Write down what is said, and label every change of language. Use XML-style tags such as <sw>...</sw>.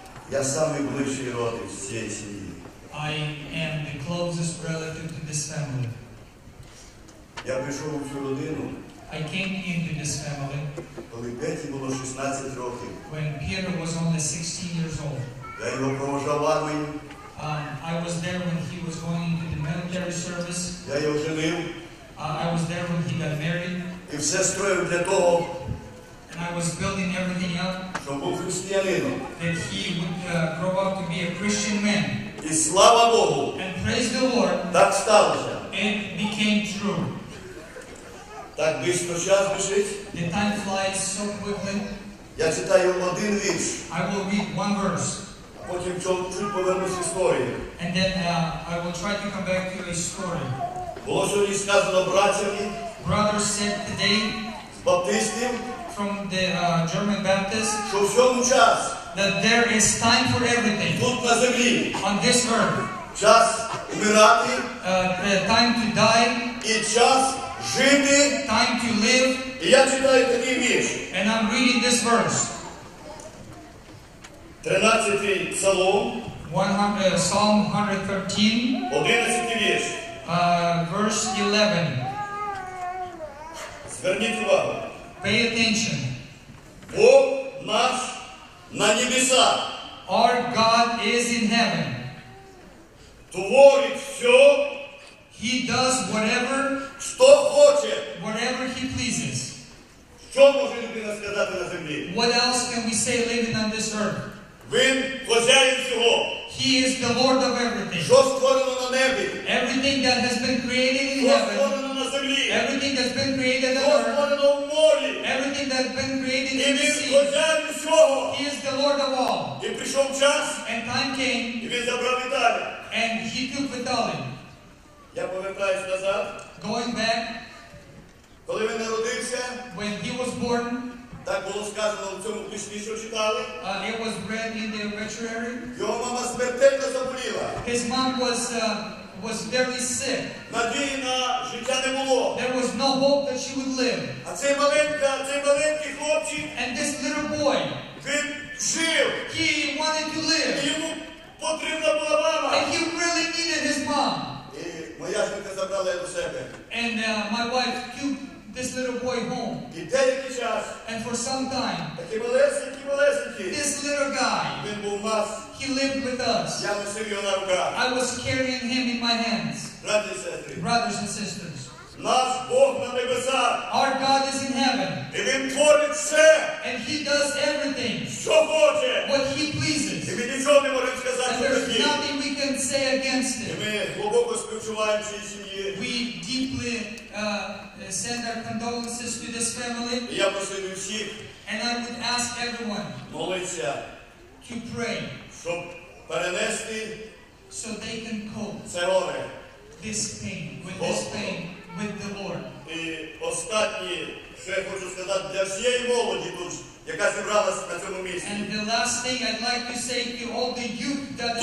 <uk>Я найближчий родич цієї сім'ї.</uk> <en>I am the closest relative to this family.</en> <uk>Я прийшов у цю родину.</uk> <en>I came into this family.</en> <uk>Коли Петі було 16 років.</uk> <en>When Peter was only 16 years old.</en> <uk>Я його провожав в армію.</uk> <en>I was there when he was going into the military service.</en> <uk>Я його женив.</uk> <en>I was there when he got married.</en> <uk>І все строїв для того.</uk> <en>And I was building everything up.</en> <uk>Щоб був християнином.</uk> <en>That he would grow up to be a Christian man.</en> <uk>І слава Богу.</uk> <en>And praise the Lord.</en> <uk>Так сталося.</uk> <en>It became true.</en> <uk>Так близько час біжить.</uk> <en>The time flies so quickly.</en> <uk>Я читаю один вірш.</uk> <en>I will read one verse.</en> <uk>А потім чуть повернусь історії.</uk> <en>And then I will try to come back to a story.</en> <uk>Було сьогодні сказано братями.</uk> <en>Brothers said today.</en> <uk>З баптистів.</uk> <en>From the German Baptist.</en> <uk>Що всьому час.</uk> <en>That there is time for everything.</en> <uk>Тут на землі.</uk> <en>On this earth.</en> <uk>Час умирати.</uk> <en>The time to die.</en> <uk>І час жити.</uk> <en>Time to live.</en> <uk>І я читаю такий вірш.</uk> <en>And I'm reading this verse.</en> <uk>13-й псалом.</uk> <en>Psalm 113.</en> <uk>11-й вірш.</uk> <en>Verse 11.</en> <uk>Зверніть увагу.</uk> <en>Pay attention.</en> <uk>Бог наш на небесах.</uk> <en>Our God is in heaven.</en> <uk>Творить все.</uk> <en>He does whatever.</en> <uk>Що хоче.</uk> <en>Whatever he pleases.</en> <uk>Що може людина сказати на землі?</uk> <en>What else can we say living on this earth?</en> <uk>Він хозяїн всього.</uk> <en>He is the Lord of everything.</en> <uk>Що створено на небі?</uk> <en>Everything that has been created in heaven.</en> <uk>Що створено на землі?</uk> <en>Everything that's been created on earth.</en> <uk>Що створено в морі?</uk> <en>Everything that's been created in the sea.</en> <uk>І він хозяїн всього.</uk> <en>He is the Lord of all.</en> <uk>І прийшов час.</uk> <en>And time came.</en> <uk>І він забрав Віталія.</uk> <en>And he took Vitaly.</en> <uk>Я повертаюсь назад.</uk> <en>Going back.</en> <uk>Коли він народився.</uk> <en>When he was born.</en> <uk>Так було сказано в цьому письмі, що читали.</uk> <en>It was read in the obituary.</en> <uk>Його мама смертельно заболіла.</uk> <en>His mom was very sick.</en> <uk>Надії на життя не було.</uk> <en>There was no hope that she would live.</en> <uk>А цей маленький хлопчик.</uk> <en>And this little boy.</en> <uk>Він жив.</uk> <en>He wanted to live.</en> <uk>І йому потрібна була мама.</uk> <en>And he really needed his mom.</en> <uk>І моя жінка забрала його до себе.</uk> <en>And my wife took this little boy home.</en> <uk>Деякий час.</uk> <en>And for some time.</en> <uk>Такий малесенький.</uk> <en>This little guy.</en> <uk>Він був у нас.</uk> <en>He lived with us.</en> <uk>Я носив його на руках.</uk> <en>I was carrying him in my hands.</en> <uk>Брати і сестри.</uk> <en>Brothers and sisters.</en> <uk>Наш Бог на небесах.</uk> <en>Our God is in heaven.</en> <uk>І він творить все.</uk> <en>And he does everything.</en> <uk>Що хоче.</uk> <en>What he pleases.</en> <uk>І ми нічого не можемо сказати проти.</uk> <en>There's nothing we can say against it.</en> <uk>І ми глибоко співчуваємо цій сім'ї.</uk> <en>We deeply send our condolences to this family.</en> <uk>Я прошу всіх.</uk> <en>And I would ask everyone.</en> <uk>Молиться.</uk> <en>To pray.</en> <uk>Щоб перенести.</uk> <en>So they can cope.</en> <uk>Це горе.</uk> <en>This pain. With this pain. With the Lord.</en> <uk>І останнє, що я хочу сказати для всієї молоді тут, яка зібралась на цьому місці.</uk> <en>And the last thing I'd like to say to all the youth that is</en>